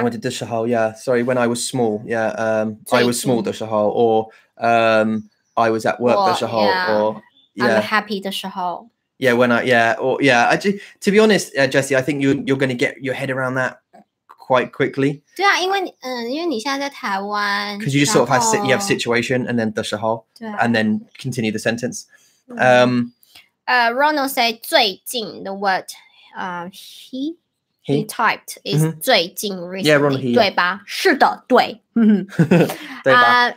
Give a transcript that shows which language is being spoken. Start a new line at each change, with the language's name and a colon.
English: I went to 的时候, yeah. Sorry, when I was small. Yeah, I was small 的时候. Or I was at work 的时候.Yeah. Or, yeah. I'm happy 的时候. Yeah, when I, yeah. Or, yeah. To be honest, Jesse, I think you're going to get your head around that quite quickly.
Chinese: 对啊, 因为你现在在台湾,
English: because you just sort of have, you have situation and then 的时候, and then continue the sentence. Ronald said 最近, the word he typed is 最近 recently. Yeah, Ronald, he.
Chinese: 对吧?是的, 对. 对吧?